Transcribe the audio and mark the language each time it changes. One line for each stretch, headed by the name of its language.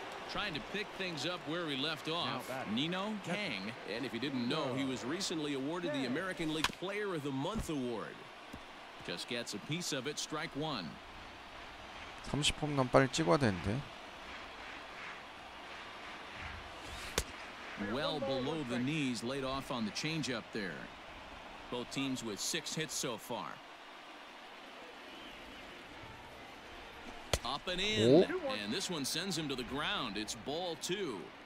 English: Trying to pick things up where we left off. Nino Kang, and if you didn't know, he was recently awarded the American League Player of the Month award. Just gets a piece of it. Strike one.
Korean: 30홈런 빨리 찍어야 되는데.
English: Well below the knees, laid off on the change up there. Both teams with six hits so far. Up and in, and this one sends him to the ground. It's ball two.